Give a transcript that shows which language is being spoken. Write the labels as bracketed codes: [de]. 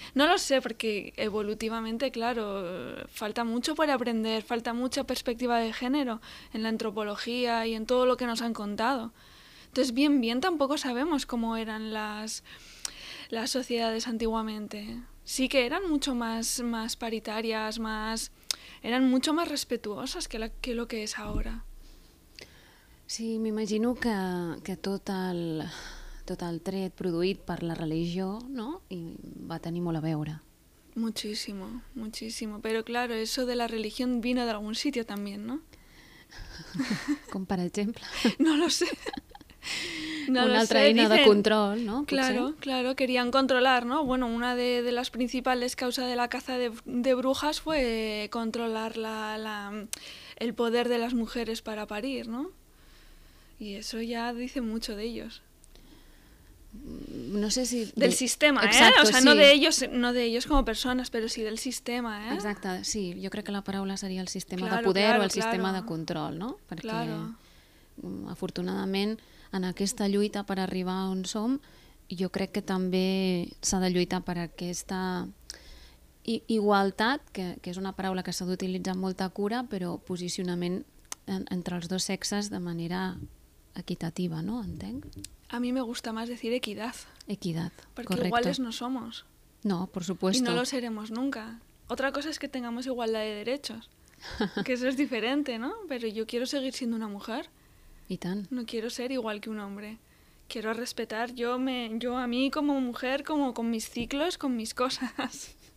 [es] No lo sé, porque evolutivamente, claro, falta mucho por aprender, falta mucha perspectiva de género en la antropología y en todo lo que nos han contado. Entonces, bien, bien, tampoco sabemos cómo eran las sociedades antiguamente. Sí que eran mucho más paritarias, eran mucho más respetuosas que lo que es ahora. [ca] Sí, m'imagino que tot el tret produït per la religió, no? I va tenir molt a veure. [es] Muchísimo, muchísimo. Pero claro, eso de la religión vino de algún sitio también, ¿no? [ca] Com per exemple? [es] No lo sé. [ca] No, una altra eina de control, no? Potser. [es] Claro, claro, querían controlar, ¿no? Bueno, una de las principales causas de la caza de brujas fue controlar el poder de las mujeres para parir, ¿no? Y eso ya dice mucho de ellos. No sé si... Del sistema, exacto, ¿eh? O sea, sí. no de ellos como personas, pero sí del sistema, ¿eh? [ca] Exacte, sí, jo crec que la paraula seria el sistema, claro, de poder, [es] claro, [ca] o el, [es] claro, [ca] sistema de control, no? Perquè, [es] claro, [ca] afortunadament, en aquesta lluita per arribar on som, jo crec que també s'ha de lluitar per aquesta igualtat, que és una paraula que s'ha d'utilitzar amb molta cura, però posicionament entre els dos sexes de manera equitativa, no? Entenc. [es] A mi me gusta más decir equidad. Equidad, correcto. Porque iguales no somos. No, por supuesto. Y no lo seremos nunca. Otra cosa es que tengamos igualdad de derechos, que eso es diferente, ¿no? Pero yo quiero seguir siendo una mujer. Y tan. No quiero ser igual que un hombre. Quiero respetar yo a mí como mujer, como con mis ciclos, con mis cosas.